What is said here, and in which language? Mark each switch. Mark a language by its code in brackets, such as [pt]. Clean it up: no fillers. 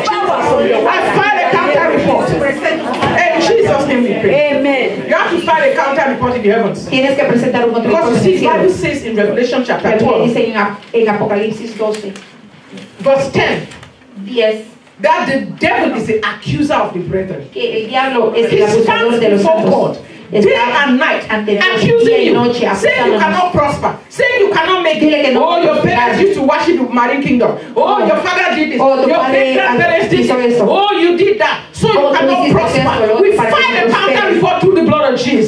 [en] Amen. You have to file a counter report in [es] Tienes que presentar un otro libro del cielo. [en] Because see, Bible says in Revelation chapter 12. [es] Dice en Apocalipsis 12. [en] Verse 10. [es] 10. [en] That the devil is the accuser of the brethren. [es] Que el diablo es el acusador de los santos. [en] Day and night, accusing you, saying you cannot prosper, saying you cannot make it. No, oh, your parents used to worship the marine kingdom. Oh, oh, your father did this. Oh, your grandparents did this. Oh, you did that. So you cannot prosper. We fight the counter before through the blood of Jesus.